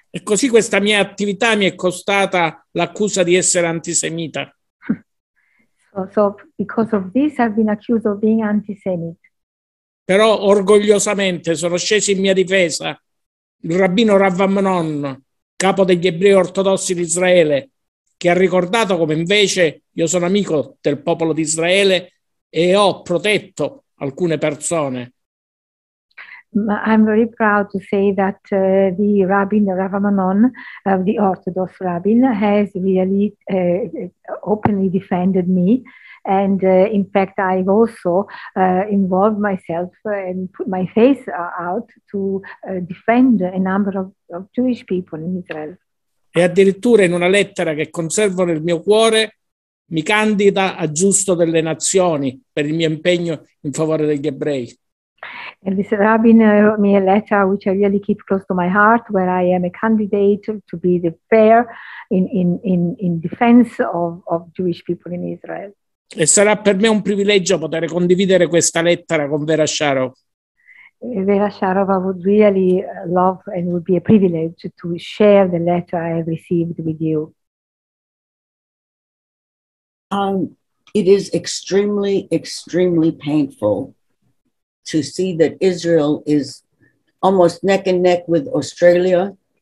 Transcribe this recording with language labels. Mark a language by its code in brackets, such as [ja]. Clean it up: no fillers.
[it] E così questa mia attività mi è costata l'accusa di essere antisemita. [en] So because of this I've been accused of being antisemite. [it] però orgogliosamente sono sceso in mia difesa. Il rabbino Rav Amnon, capo degli ebrei ortodossi di Israele, che ha ricordato come invece io sono amico del popolo di Israele e ho protetto alcune persone. [en] I'm very proud to say that the rabbin Rav Amnon, the Orthodox rabbin, has really openly defended me. And in fact, I've also involved myself and put my face out to defend a number of Jewish people in Israel. [it] E addirittura in una lettera che conservo nel mio cuore mi candida a giusto delle nazioni per il mio impegno in favore degli ebrei. [en] And this rabbin wrote me a letter which I really keep close to my heart, where I am a candidate to be the fair in defense of Jewish people in Israel. [it] E sarà per me un privilegio poter condividere questa lettera con Vera Sharov. [en] Vera Sharov, I would really love and would be a privilege to share the letter I have received with you. It is extremely, extremely painful to see that Israel is almost neck and neck with Australia.